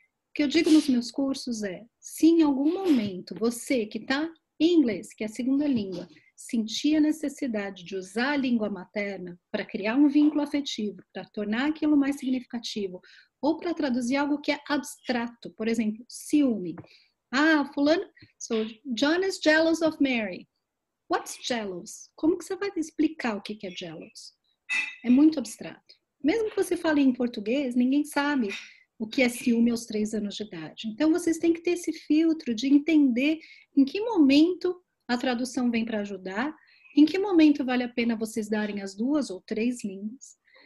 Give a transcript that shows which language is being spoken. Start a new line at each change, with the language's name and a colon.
Portuguese: O que eu digo nos meus cursos é, se em algum momento você que está em inglês, que é a segunda língua, sentir a necessidade de usar a língua materna para criar um vínculo afetivo, para tornar aquilo mais significativo, ou para traduzir algo que é abstrato, por exemplo, ciúme.
English: Ah, fulano, so John is jealous of Mary. What's jealous?
Portuguese: Como que você vai explicar o que é jealous? É muito abstrato. Mesmo que você fale em português, ninguém sabe o que é ciúme aos 3 anos de idade. Então, vocês têm que ter esse filtro de entender em que momento a tradução vem para ajudar, em que momento vale a pena vocês darem as 2 ou 3 línguas.